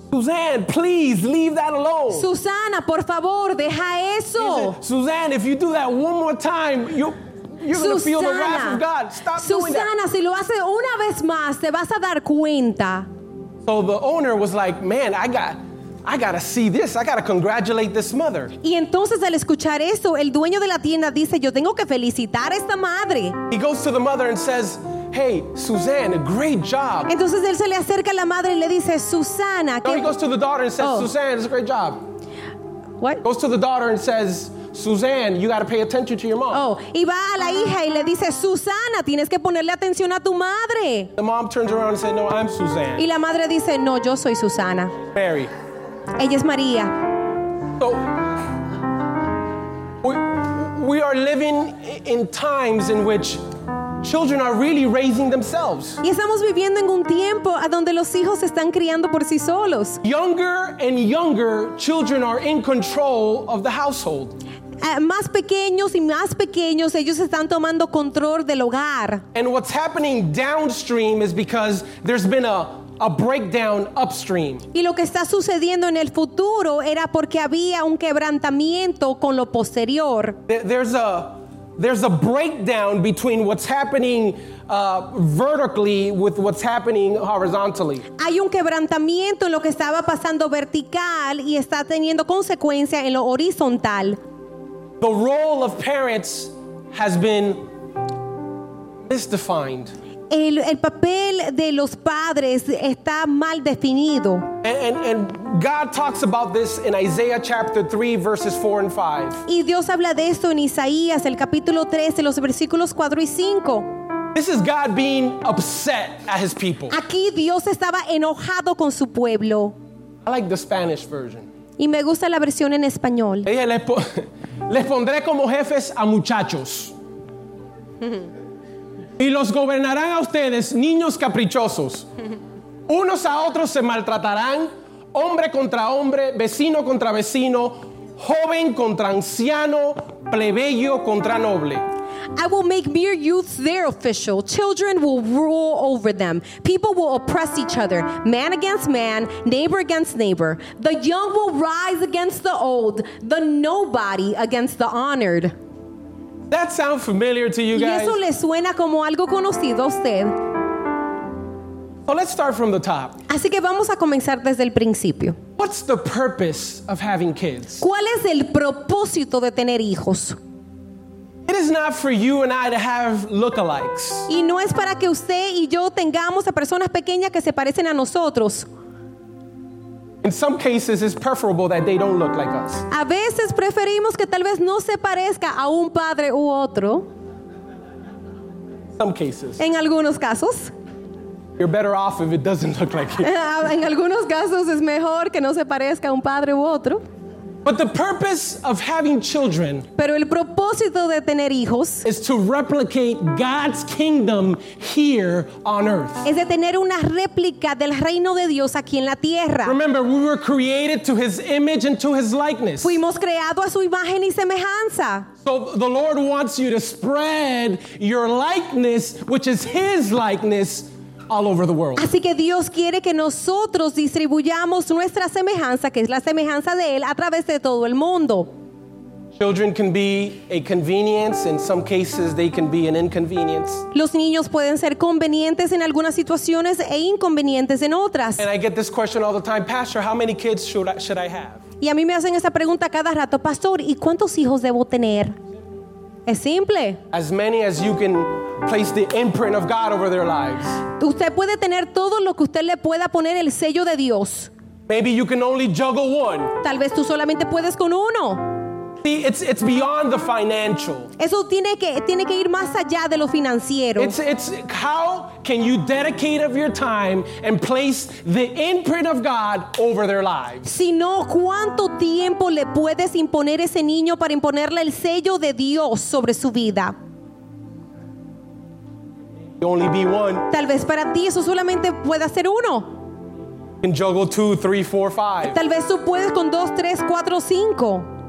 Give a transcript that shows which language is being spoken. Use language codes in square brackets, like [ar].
[en] Suzanne, please leave that alone. [es] Susana, por favor, deja eso. [en] Suzanne, if you do that one more time, you're going to feel the wrath of God. Stop [es] Susana, [en] doing that. [es] Susana, si lo hace una vez más, te vas a dar cuenta. [en] So the owner was like, "Man, I got to see this. I got to congratulate this mother." [es] Y entonces al escuchar eso, el dueño de la tienda dice, "Yo tengo que felicitar a esta madre." [en] He goes to the mother and says, "Hey, Suzanne, great job." [es] Entonces él se le acerca a la madre y le dice, "Susana, qué." [en] No, he goes to the daughter and says, "Suzanne, it's a great job." What? Goes to the daughter and says, "Suzanne, you got to pay attention to your mom." [es] Oh, y va a la hija y le dice, "Susana, tienes que ponerle atención a tu madre." [en] The mom turns around and says, "No, I'm Suzanne." [es] Y la madre dice, "No, yo soy Susana." [en] Mary. [es] Ella es María. [en] So, we are living in times in which children are really raising themselves. [es] Y estamos viviendo en un tiempo a donde los hijos están criando por sí solos. [en] Younger and younger children are in control of the household. [es] Más pequeños y más pequeños, ellos están tomando control del hogar. [en] And what's happening downstream is because there's been a breakdown upstream. [es] Y lo que está sucediendo en el futuro era porque había un quebrantamiento con lo posterior. [en] There's a breakdown between what's happening vertically with what's happening horizontally. [es] Hay un quebrantamiento en lo que estaba pasando vertical y está teniendo consecuencia en lo horizontal. [en] The role of parents has been misdefined. [es] El papel de los padres está mal definido. [en] And God talks about this in Isaiah chapter 3, verses 4 and 5. [es] Y Dios habla de esto en Isaías, el capítulo 13, los versículos 4 y 5. [en] This is God being upset at his people. [es] Aquí Dios estaba enojado con su pueblo. [en] I like the Spanish version. [es] Y me gusta la versión en español. Les pondré como jefes a muchachos. Y los gobernarán a ustedes, niños caprichosos. Unos a otros se maltratarán, hombre contra hombre, vecino contra vecino, joven contra anciano, plebeyo contra noble. [en] I will make mere youths their official. Children will rule over them. People will oppress each other. Man against man, neighbor against neighbor. The young will rise against the old, the nobody against the honored. That sounds familiar to you guys. [es] Y eso le suena como algo conocido a usted. [en] So let's start from the top. [es] Así que vamos a comenzar desde el principio. [en] What's the purpose of having kids? [es] ¿Cuál es el propósito de tener hijos? [en] It is not for you and I to have lookalikes. [es] Y no es para que usted y yo tengamos a personas pequeñas que se parecen a nosotros. [en] In some cases, it's preferable that they don't look like us. [es] A veces preferimos que tal vez no se parezca a un padre u otro. [en] Some cases. [es] En algunos casos. [en] You're better off if it doesn't look like you. [es] En algunos casos es mejor que no se parezca a un padre u otro. [en] But the purpose of having children. [es] Pero el propósito de tener hijos. [en] Is to replicate God's kingdom here on earth. [es] Es de tener una réplica del reino de Dios aquí en la tierra. [en] Remember, we were created to His image and to His likeness. [es] Fuimos creados a su imagen y semejanza. [en] So the Lord wants you to spread your likeness, which is His likeness, all over the world. [es] Así que Dios quiere que nosotros distribuyamos nuestra semejanza, que es la semejanza de Él, a través de todo el mundo. [en] Children can be a convenience. In some cases, they can be an inconvenience. [es] Los niños pueden ser convenientes en algunas situaciones e inconvenientes en otras. [en] And I get this question all the time, Pastor, how many kids should I have? [es] Y a mí me hacen esa pregunta cada rato, Pastor, ¿y cuántos hijos debo tener? Es simple. [en] As many as you can place the imprint of God over their lives. [es] Usted puede tener todo lo que usted le pueda poner el sello de Dios. [en] Maybe you can only juggle one. [es] Tal vez tú solamente puedes con uno. [en] See, it's beyond the financial. [es] Eso tiene que ir más allá de lo financiero. [en] It's how can you dedicate of your time and place the imprint of God over their lives? [es] Sino cuánto tiempo le puedes imponer ese niño para imponerle el sello de Dios sobre su vida. [en] Only be one. [es] Tal vez para ti eso solamente pueda ser uno. [en] You can juggle 2, 3, 4, 5. [es] Tal vez tú puedes con 2, 3, 4, 5.